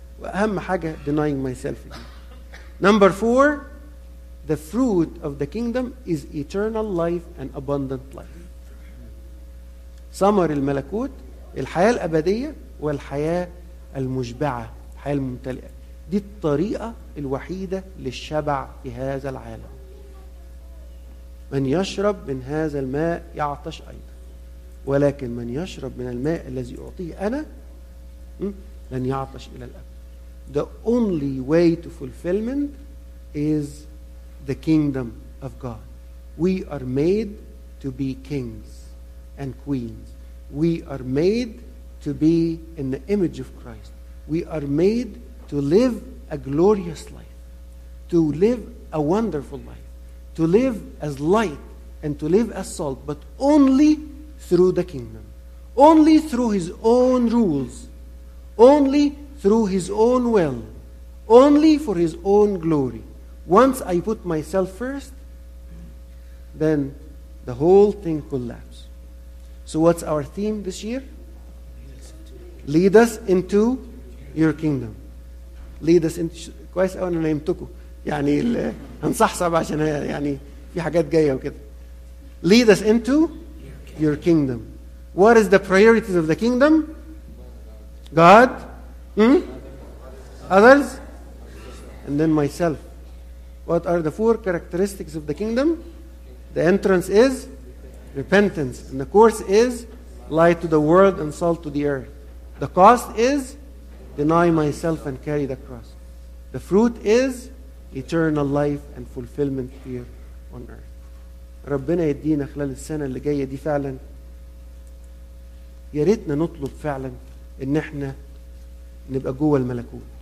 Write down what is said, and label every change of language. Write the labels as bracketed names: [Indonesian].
[Arabic] واهم حاجه [English] denying myself. Number four, the fruit of the kingdom is eternal life and abundant life. [Arabic] ثمر الملكوت الحياه الابديه والحياه المشبعه، الحياه الممتلئه. دي الطريقه الوحيده للشبع في هذا العالم. من يشرب من هذا الماء يعطش ايضا. ولكن من يشرب من الماء الذي أعطيه أنا لن يعطش إلى الأبد. [English] The only way to fulfillment is the kingdom of God. We are made to be kings and queens. We are made to be in the image of Christ. We are made to live a glorious life, to live a wonderful life, to live as light and to live as salt, but only through the kingdom. Only through his own rules. Only through his own will. Only for his own glory. Once I put myself first, then the whole thing collapses. So what's our theme this year? Lead us into your kingdom. Lead us into... [Arabic] كويس أولا نعمتكم. يعني هنصحصح عشان يعني في حاجات جاية وكده. [English] Lead us into your kingdom. What is the priorities of the kingdom? God, others, and then myself. What are the four characteristics of the kingdom? The entrance is repentance, and the course is light to the world and salt to the earth. The cost is deny myself and carry the cross. The fruit is eternal life and fulfillment here on earth. [Arabic] ربنا يدينا خلال السنة اللي جاية دي فعلا يا ريتنا نطلب فعلا ان احنا نبقى جوه الملكوت.